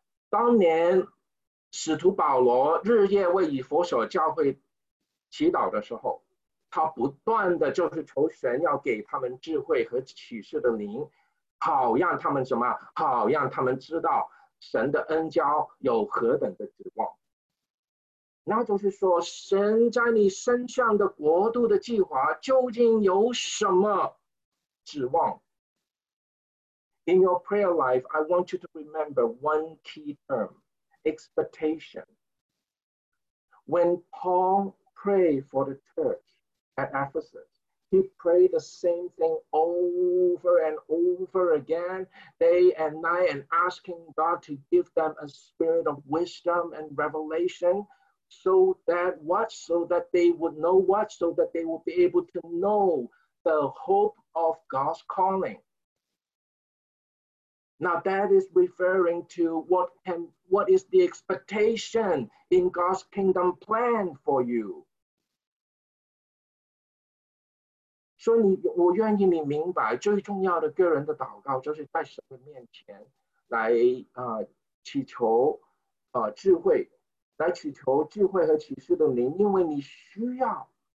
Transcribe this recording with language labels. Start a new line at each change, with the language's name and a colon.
Chinese: 当年使徒保罗日夜为以弗所教会祈祷的时候，他不断的就是求神要给他们智慧和启示的灵，好让他们什么，好让他们知道神的恩交有何等的指望。那就是说，神在你身上的国度的计划究竟有什么指望。
English: In your prayer life, I want you to remember one key term, expectation. When Paul prayed for the church at Ephesus, he prayed the same thing over and over again, day and night, and asking God to give them a spirit of wisdom and revelation, so that they will be able to know the hope of God's calling. Now that is referring to what is the expectation in God's kingdom plan for you.
Chinese: 所以我愿意你明白，最重要的个人的祷告就是在神的面前来祈求智慧，来祈求智慧和启示的灵，因为你需要